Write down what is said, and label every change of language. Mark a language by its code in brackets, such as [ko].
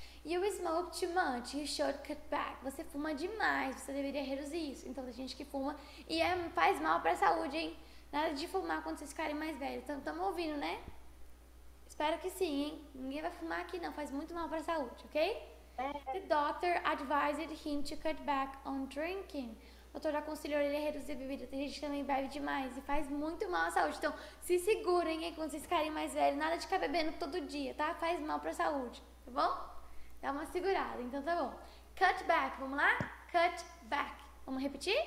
[en] You smoke too much, you should cut back. [pt] Você fuma demais, você deveria reduzir isso. Então, tem gente que fuma e faz mal para a saúde, hein? Nada de fumar quando vocês ficarem mais velhos. Então, estamos ouvindo, né? Espero que sim, hein? Ninguém vai fumar aqui, não. Faz muito mal para a saúde, ok? [en] The doctor advised him to cut back on drinking. [pt] O doutor aconselhou ele a reduzir a bebida. Tem gente que também bebe demais e faz muito mal à saúde. Então, se segurem, hein? Quando vocês ficarem mais velhos, nada de ficar bebendo todo dia, tá? Faz mal pra saúde, tá bom? Dá uma segurada, então tá bom. Cut back, vamos lá? Cut back. Vamos repetir?